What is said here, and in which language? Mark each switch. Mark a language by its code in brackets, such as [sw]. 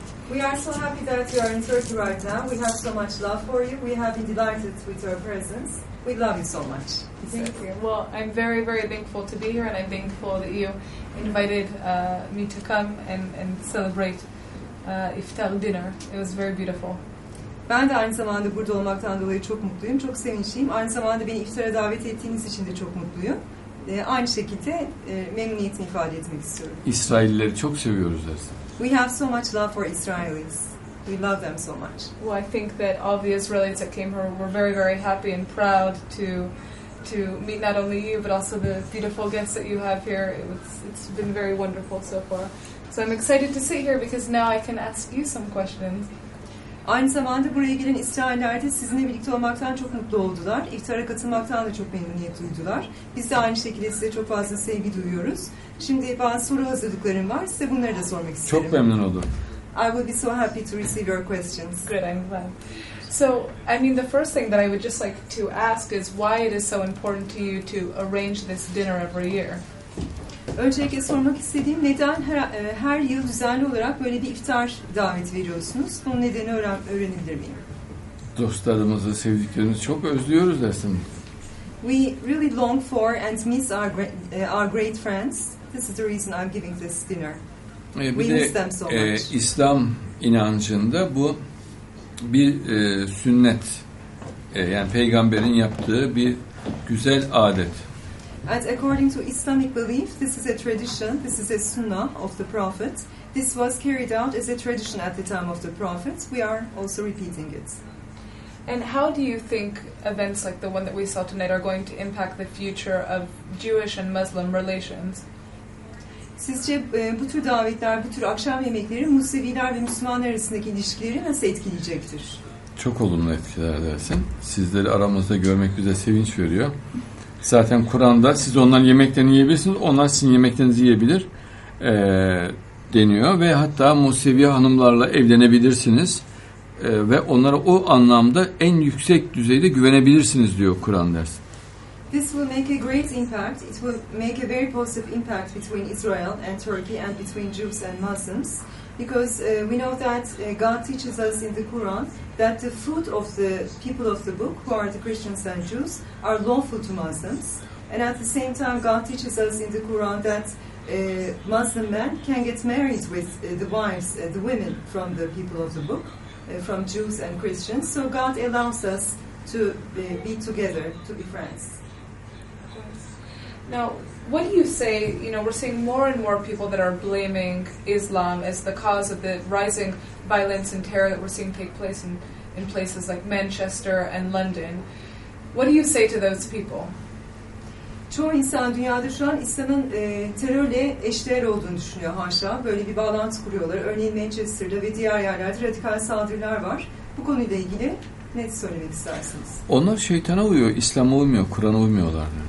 [en] We are so happy that you are in Turkey right now. We have so much love for you. We have been delighted with your presence. We love you so much. Thank you. Well, I'm very, very thankful to be here, and I'm thankful that you invited me to come and celebrate iftar dinner. It was very beautiful. [tr] Ben de aynı zamanda burada olmaktan dolayı çok mutluyum, çok sevinçliyim. Aynı zamanda beni iftara davet ettiğiniz için de çok mutluyum. Aynı şekilde memnuniyetimi ifade etmek istiyorum. İsraillileri çok seviyoruz dersin. [en] We have so much love for Israelis. We love them so much. Well, I think that all the Israelis that came here were very, very happy and proud to meet not only you, but also the beautiful guests that you have here. It's been very wonderful so far. So I'm excited to sit here because now I can ask you some questions. [tr] Aynı zamanda buraya gelen İsrailliler de sizinle birlikte olmaktan çok mutlu oldular. İftara katılmaktan da çok memnuniyet duydular. Biz de aynı şekilde size çok fazla sevgi duyuyoruz. Şimdi bazı soru hazırlıklarım var. Size bunları da sormak isterim. Çok memnun oldum. [en] I will be so happy to receive your questions. Good, I'm glad. So, I mean, the first thing that I would just like to ask is why it is so important to you to arrange this dinner every year? [tr] Öncelikle sormak istediğim, neden her yıl düzenli olarak böyle bir iftar daveti veriyorsunuz? Bunun nedeni öğrenebilir miyim? Dostlarımızı, sevdiklerimizi çok özlüyoruz dersin. [en] We really long for and miss our great friends. This is the reason I'm giving this dinner. We miss them so much. [tr] İslam inancında bu bir sünnet, yani peygamberin yaptığı bir güzel adet. [en] And according to Islamic belief, this is a tradition, this is a sunnah of the Prophet. This was carried out as a tradition at the time of the Prophet. We are also repeating it. And how do you think events like the one that we saw tonight are going to impact the future of Jewish and Muslim relations? [tr] Sizce bu tür davetler, bu tür akşam yemekleri Museviler ve Müslümanlar arasındaki ilişkileri nasıl etkileyecektir? Çok olumlu etkiler dersin. Sizleri aramızda görmek bize sevinç veriyor. Zaten Kur'an'da siz onların yemeklerini yiyebilirsiniz, onlar sizin yemeklerinizi yiyebilir deniyor. Ve hatta Musevi hanımlarla evlenebilirsiniz ve onlara o anlamda en yüksek düzeyde güvenebilirsiniz diyor Kur'an ders. [en] This will make a great impact. It will make a very positive impact between Israel and Turkey and between Jews and Muslims. Because we know that God teaches us in the Quran that the food of the people of the book, who are the Christians and Jews, are lawful to Muslims. And at the same time, God teaches us in the Quran that Muslim men can get married with the wives, the women from the people of the book, from Jews and Christians. So God allows us to be together, to be friends. Now, what do you say, you know, we're seeing more and more people that are blaming Islam as the cause of the rising violence and terror that we're seeing take place in places like Manchester and London. What do you say to those people? [tr] Çoğu insan dünyada şu an İslam'ın terörle eşdeğer olduğunu düşünüyor haşa. Böyle bir bağlantı kuruyorlar. Örneğin Manchester'da ve diğer yerlerde radikal saldırılar var. Bu konuyla ilgili ne söylemek istersiniz? Onlar şeytana uyuyor, İslam'a uymuyor, Kur'an'a uymuyorlar.